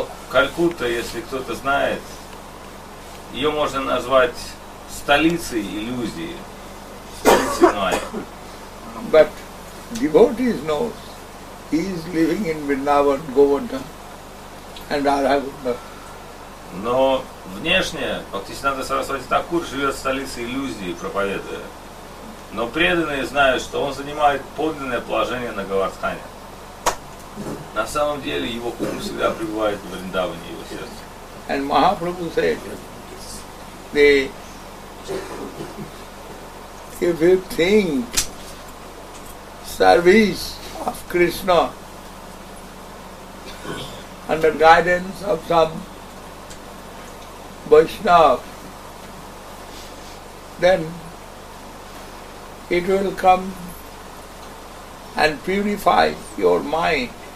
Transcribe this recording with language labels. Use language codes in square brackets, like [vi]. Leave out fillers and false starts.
[ru] Калькутта, если кто-то знает, ее можно назвать столицей иллюзии, столицей Майя. [en] But devotees know he is living in Vrindavan, Govardhan and Radha-Govinda. [ru] Но внешне Бхактисиддханта Сарасвати Такур живет в столице иллюзии, проповедуя. Но преданные знают, что он занимает подлинное положение на Говардхане. На самом деле его ум всегда пребывает в Вриндаване, его сердце. [en] And Mahaprabhu said, the, if you think service of Krishna under guidance of some Vaishnava, then it will come and purify your mind